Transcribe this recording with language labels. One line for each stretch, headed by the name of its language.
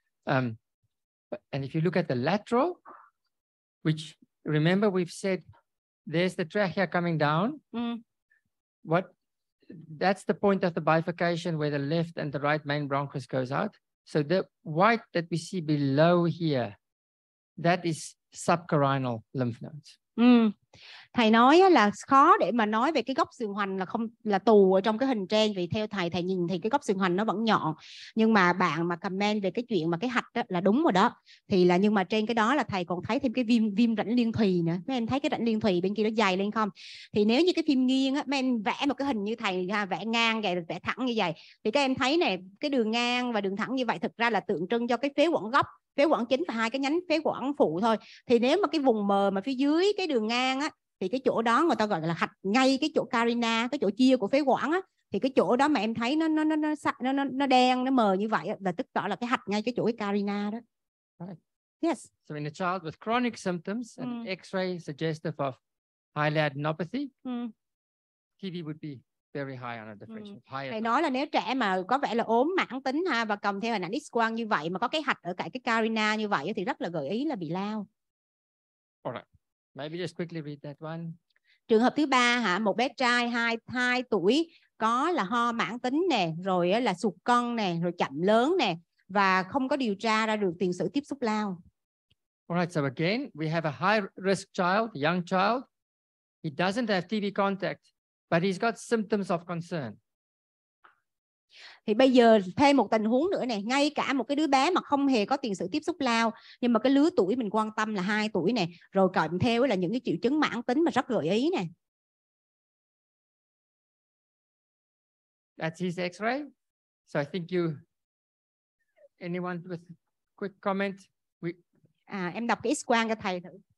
English: And if you look at the lateral, which remember we've said there's the trachea coming down. What that's the point of the bifurcation where the left and the right main bronchus goes out. So the white that we see below here, that is subcarinal lymph nodes.
Vietnamese: Thầy nói là khó để mà nói về cái góc sườn hoành là không là tù ở trong cái hình trên, vì theo thầy nhìn thì cái góc sườn hoành nó vẫn nhọn, nhưng mà bạn mà comment về cái chuyện mà cái hạch đó là đúng rồi đó, thì là nhưng mà trên cái đó là thầy còn thấy thêm cái viêm rãnh liên thùy nữa. Mấy em thấy cái rãnh liên thùy bên kia nó dày lên không? Thì nếu như cái phim nghiêng á, mấy em vẽ một cái hình như thầy ha, vẽ ngang vậy, vẽ thẳng như vậy, thì các em thấy này, cái đường ngang và đường thẳng như vậy thực ra là tượng trưng cho cái phế quản gốc, phế quản chính và hai cái nhánh phế quản phụ thôi. Thì nếu mà cái vùng mờ mà phía dưới cái đường ngang á, thì cái chỗ đó người ta gọi là hạch ngay cái chỗ carina, cái chỗ chia của phế quản á, thì cái chỗ đó mà em thấy nó đen, nó mờ như vậy á, là tức rõ là cái hạch ngay cái chỗ cái carina đó.
English: Right. Yes. So in a child with chronic symptoms, an X-ray suggestive of hyaluronopathy, TB would be very high on a differential.
Vietnamese: Thầy nói là nếu trẻ mà có vẻ là ốm mãn tính ha, và cầm theo hình ảnh X-quang như vậy mà có cái hạch ở cả cái carina như vậy thì rất là gợi ý là bị lao.
English: All right. Maybe just quickly read that one.
Vietnamese: Trường hợp thứ ba hả, một bé trai 2 tuổi có là ho mãn tính nè, rồi là sụt cân nè, rồi chậm lớn nè, và không có điều tra ra được tiền sử tiếp xúc lao.
English: All right, so again, we have a high risk child, young child. He doesn't have TB contact, but he's got symptoms of concern.
Vietnamese: Thì bây giờ thêm một tình huống nữa này, ngay cả một cái đứa bé mà không hề có tiền sử tiếp xúc lao, nhưng mà cái lứa tuổi mình quan tâm là 2 tuổi này, rồi cộng theo là những cái triệu chứng mãn tính mà rất gợi ý này.
English: That's his X-ray. So I think you, anyone with quick comment?
Vietnamese: Em đọc cái X-quang cho thầy thử.